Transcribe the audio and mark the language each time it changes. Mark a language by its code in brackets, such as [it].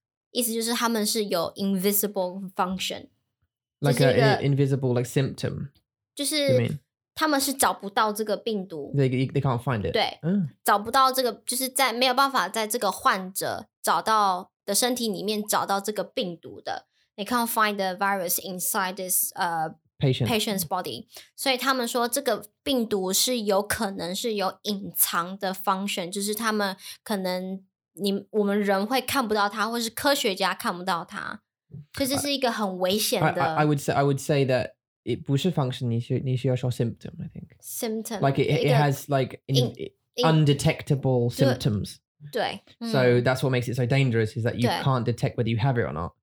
[zh] 意思就是他们是有 [en] invisible function. Like an invisible like symptom. [zh] 就是他们是找不到这个病毒。 [en] They can't find it. [zh] 对。找不到这个就是在没有办法在这个患者找到的身体里面找到这个病毒的。 [en] They can't find the virus inside this,Patient's body. [zh] 所以他们说这个病毒是有可能是有隐藏的 function, 就是他们可能我们人会看不到它或是科学家看不到它。所以这是一个很危险的。 [en] I would say that it [zh] 不是 [en] function, [zh] 你需要说 [en] symptom, I think. Symptom. Like it has like undetectable symptoms. [zh] 对。 [en] So that's what makes it so dangerous, is that you can't detect whether you have it or not.